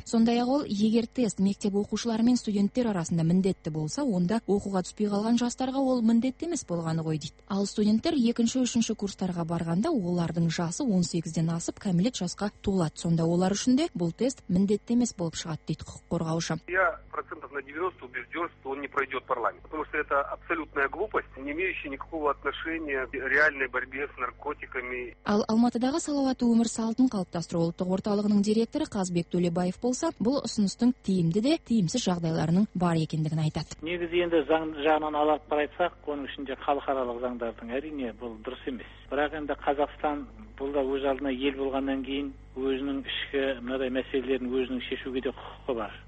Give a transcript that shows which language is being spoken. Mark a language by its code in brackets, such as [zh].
[kk] Сондай-ақ ол, егер тест мектеп оқушылары мен студенттер арасында міндетті болса, онда оқуға түспей қалған жастарға ол міндетті емес болғаны ғой дейді. Ал студенттер 2-3 курстарға барғанда олардың жасы 18-ден асып, кәмелет жасқа толады. Сонда олар үшін де бұл тест міндетті емес болып шығады дейді құқық қорғаушы. [ru] Я процентов на 90 убежден, что он не пройдет парламент. Потому что это абсолютная глупость, не имеющая никакого отношения к реальной борьбе с наркотиками. [kk] Ал Алматыдағы салауатты өмір салтын қалыптастыру ұлттық орталығының директоры Қазбек Төлебаев болса, бұл ұсыныстың тиімді де тиімсіз жағдайларының бар екендігін айтады. Негізі енді заң жағынан алып қарайсақ, оның ішінде халықаралық заңдардың әрине бұл дұрыс емес. Бірақ енді Қазақстан бұл да өз алдына ел болғаннан кейін өзінің ішкі мынадай мәселелерін өзінің шешуге де құқығы бар.